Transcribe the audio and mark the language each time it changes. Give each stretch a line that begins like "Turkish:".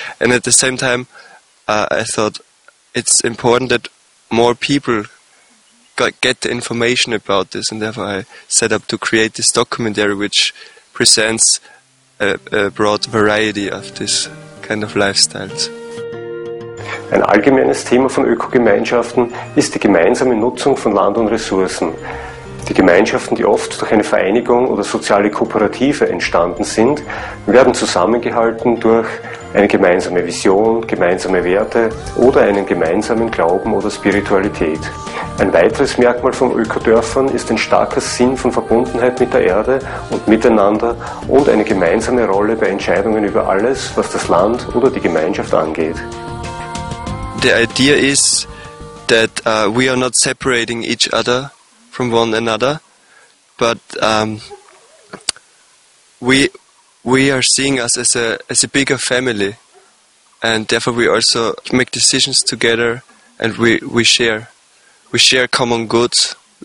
English: And at the same time, I thought it's important that more people get the information about this, and therefore I set up to create this documentary which presents a broad variety of this kind of lifestyles.
German: Ein allgemeines Thema von Ökogemeinschaften ist die gemeinsame Nutzung von Land und Ressourcen. Die Gemeinschaften, die oft durch eine Vereinigung oder soziale Kooperative entstanden sind, werden zusammengehalten durch eine gemeinsame Vision, gemeinsame Werte oder einen gemeinsamen Glauben oder Spiritualität. Ein weiteres Merkmal von Ökodörfern ist ein starker Sinn von Verbundenheit mit der Erde und miteinander und eine gemeinsame Rolle bei Entscheidungen über alles, was das Land oder die Gemeinschaft angeht.
English: The idea is that we are not separating each other from one another, but we are seeing us as a bigger family, and therefore we also make decisions together, and we share common goods.